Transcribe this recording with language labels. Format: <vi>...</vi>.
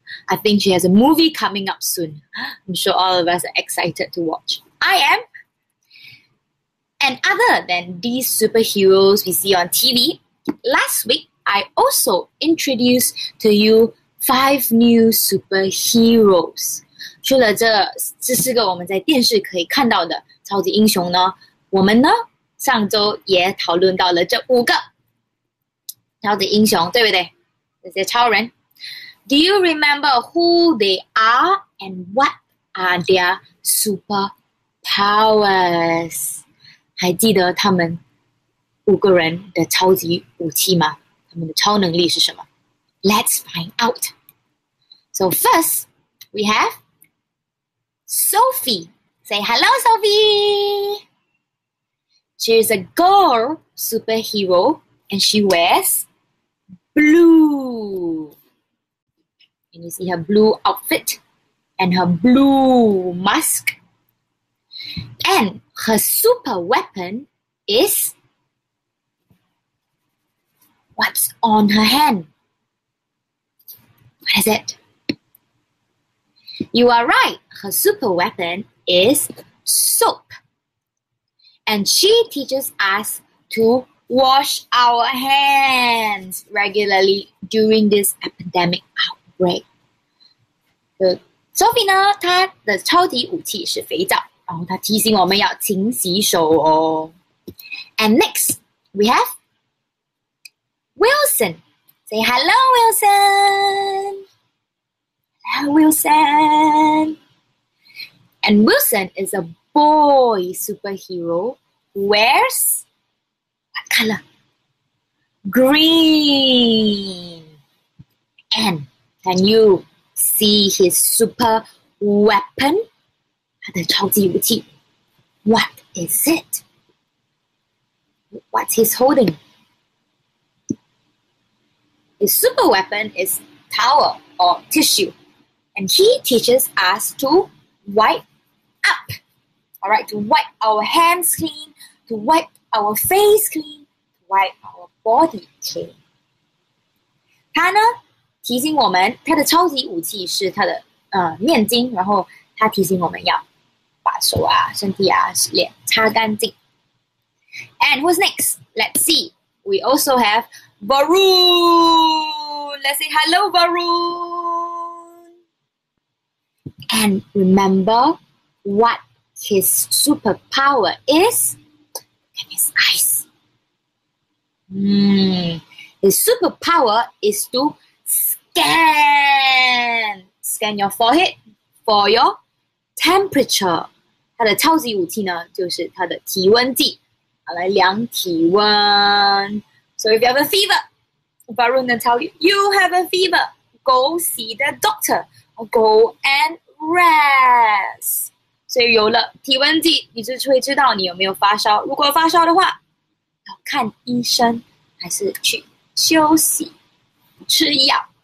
<en>I think she has a movie coming up soon. I'm sure all of us are excited to watch. I am. And other than these superheroes we see on TV, last week I also introduced to you 5 new superheroes.</en> <zh>除了这四个我们在电视可以看到的超级英雄呢，我们呢上周也讨论到了这五个超级英雄，对不对？这些超人。</zh> <en>Do you remember who they are and what are their superpowers?</en> <zh>还记得他们五个人的超级武器吗？他们的超能力是什么？</zh> <en>Let's find out. So first, we have Sophie. Say hello, Sophie. She is a girl superhero and she wears blue. And you see her blue outfit and her blue mask. And her super weapon is what's on her hand? What is it? You are right. Her super weapon is soap. And she teaches us to wash our hands regularly during this epidemic outbreak.</en> <zh>Sophie 呢，她的超级武器是肥皂。然后他提醒我们要勤洗手哦。</zh> <en>And next, we have Wilson. Say hello, Wilson. Hello, Wilson. And Wilson is a boy superhero who wears what color? Green. And can you see his super weapon?</en> <zh>他的超级武器</zh> <en>What is it? What's he holding? His super weapon is towel or tissue. And he teaches us to wipe up. All right, to wipe our hands clean, to wipe our face clean, to wipe our body clean.</en> <zh>他呢提醒我们他的超级武器是他的面巾，然后他提醒我们要手啊，身体啊，脸擦干净。</zh> <en>And who's next? Let's see. We also have Varun. Let's say hello, Varun. And remember what his superpower is? And his eyes. His superpower is to scan. Scan your forehead for your temperature.</en> <zh>他的超级武器呢，就是他的体温计，来量体温。</zh> <en>So if you have a fever, Varun will tell you, you have a fever. go see the doctor or go and rest.</en> <zh>所以有了体温计，你就会知道你有没有发烧。如果发烧的话，要看医生还是去休息、吃药。</zh>